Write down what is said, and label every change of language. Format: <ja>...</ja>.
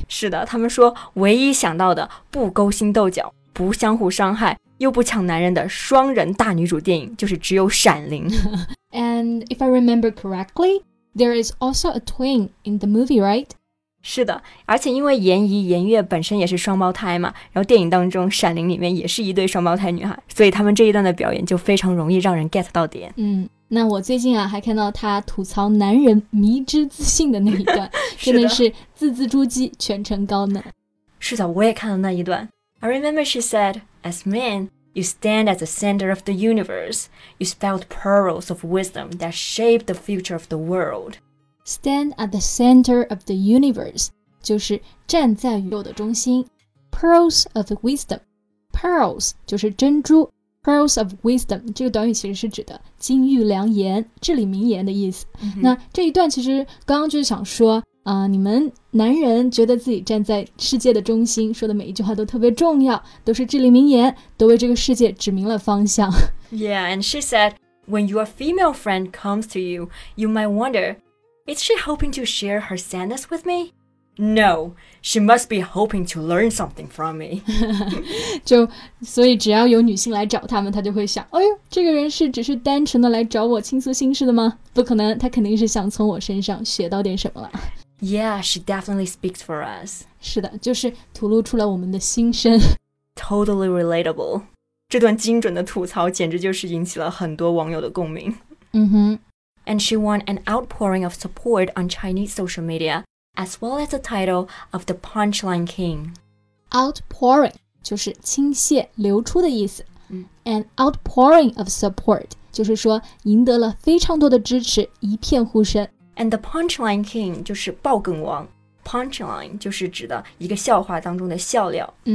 <zh>是的，他们说唯一想到的不勾心斗角、不相互伤害、又不抢男人的双人大女主电影就是只有闪灵。</zh> <en>And if I remember correctly,There is also a twin in the movie, right?</en> <zh>是的，而且因为颜怡、颜月本身也是双胞胎嘛，然后电影当中《闪灵》里面也是一对双胞胎女孩，所以他们这一段的表演就非常容易让人 get 到点。嗯，那我最近啊还看到他吐槽男人迷之自信的那一段，真的是字字珠玑，全程高能。是的，我也看了那一段。</zh> <en>I remember she said, as men,You stand at the center of the universe. You spout pearls of wisdom that shape the future of the world. Stand at the center of the universe</en> <zh>就是站在宇宙的中心。</zh> <en>Pearls of wisdom.</en> <zh>Pearls 就是珍珠。</zh> <en>Pearls of wisdom</en> <zh>这个短语其实是指的金玉良言、至理名言的意思。 Mm-hmm. 那这一段其实刚刚就是想说你们男人觉得自己站在世界的中心，说的每一句话都特别重要，都是至理名言，都为这个世界指明了方向。</zh> <en>Yeah, and she said, when your female friend comes to you, you might wonder, is she hoping to share her sadness with me? No, she must be hoping to learn something from me.</en> <zh>就所以只要有女性来找他们，他就会想，哎呦，这个人是只是单纯的来找我倾诉心事的吗？不可能，他肯定是想从我身上学到点什么了。</zh> <en>Yeah, she definitely speaks for us.</en> <zh>是的，就是吐露出了我们的心声。</zh> <en>Totally relatable.</en> <zh>这段精准的吐槽简直就是引起了很多网友的共鸣。 Mm-hmm.</zh> <en>And she won an outpouring of support on Chinese social media, as well as the title of the Punchline King.</en> <zh>Outpouring 就是倾泻、流出的意思。</zh> <en>An outpouring of support</en> <zh>就是说赢得了非常多的支持，一片呼声。</zh> <en>And the punchline king</en> <zh>就是爆梗王 Punchline 就是指的一个笑话当中的笑料</zh>